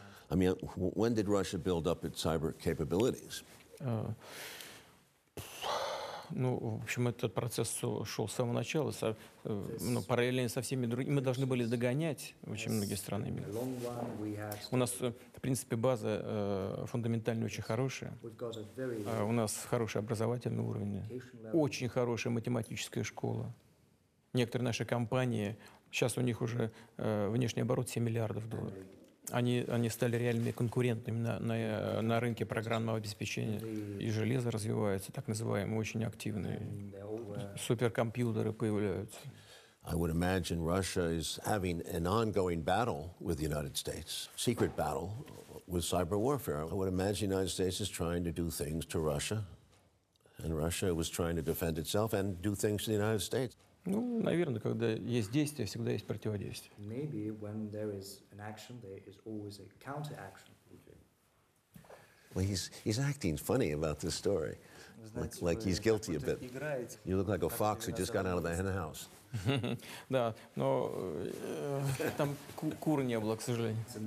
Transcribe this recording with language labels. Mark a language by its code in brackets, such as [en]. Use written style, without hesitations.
[en] I mean, when did Russia build up its cyber capabilities? [ru] Ну, в общем, этот процесс шел с самого начала, параллельно со всеми другими. Мы должны были догонять очень многие страны мира. У нас, в принципе, база фундаментальная очень хорошая. У нас хороший образовательный уровень, очень хорошая математическая школа. Некоторые наши компании, сейчас у них уже внешний оборот 7 миллиардов долларов. Они стали реальными конкурентами на рынке программного обеспечения. И железо развивается, так называемые, очень активные. Суперкомпьютеры появляются. [en] I would imagine Russia is having an ongoing battle with the United States, secret battle with cyber warfare. I would imagine the United States is trying to do things to Russia, and Russia was trying to defend itself and do things to the United States. [ru] Ну, наверное, когда есть действие, всегда есть противодействие. [en] Maybe when there is an action, there is always a counteraction. Well, he's acting funny about this story. Like he's guilty a bit. You look like a fox who just got out of the hen house. [ru] Да, но там кур не было, к сожалению.